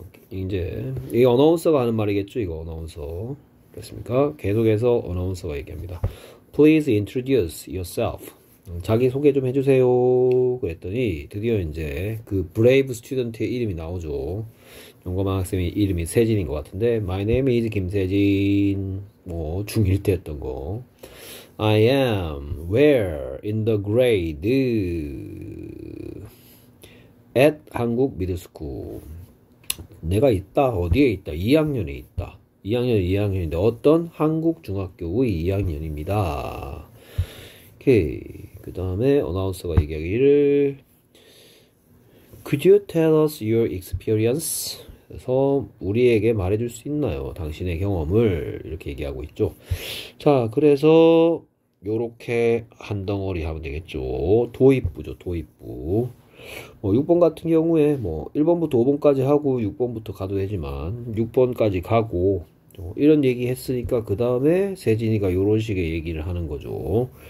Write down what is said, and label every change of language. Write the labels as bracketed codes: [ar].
[ko] 이제, 이게 어나운서가 하는 말이겠죠? 이거 어나운서. 그렇습니까? 계속해서 어나운서가 얘기합니다. [en] Please introduce yourself. [ko] 자기 소개 좀 해주세요. 그랬더니 드디어 이제 그 브레이브 스튜던트의 이름이 나오죠. 용감한 학생의 이름이 세진인 것 같은데, [en] My name is [ko] 김세진. 뭐 중1 때였던 거. [en] I am where in the grade at 한국 미드스쿨. [ko] 내가 있다. 어디에 있다? 2학년에 있다. 2학년, 2학년인데 어떤 한국 중학교의 2학년입니다. 오케이. 그 다음에 어나운서가 얘기하기를 [en] Could you tell us your experience? [ko] 그래서 우리에게 말해줄 수 있나요? 당신의 경험을 이렇게 얘기하고 있죠. 자, 그래서 요렇게 한 덩어리 하면 되겠죠. 도입부죠, 도입부. 뭐 6번 같은 경우에 뭐 1번부터 5번까지 하고 6번부터 가도 되지만 6번까지 가고 이런 얘기 했으니까 그 다음에 세진이가 요런 식의 얘기를 하는 거죠.